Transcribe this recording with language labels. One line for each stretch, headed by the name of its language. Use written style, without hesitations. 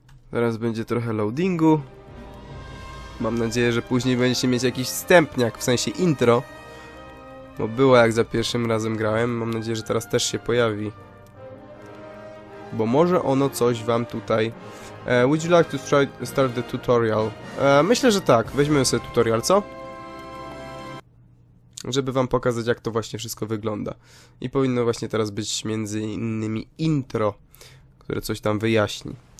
Polish: Teraz będzie trochę loadingu. Mam nadzieję, że później będziecie mieć jakiś wstępniak, w sensie intro. Bo było jak za pierwszym razem grałem, mam nadzieję, że teraz też się pojawi. Bo może ono coś wam tutaj...
English: Would you like to try start the tutorial?
Polish: Myślę, że tak, weźmiemy sobie tutorial, co? Żeby wam pokazać, jak to właśnie wszystko wygląda. I powinno właśnie teraz być między innymi intro, które coś tam wyjaśni.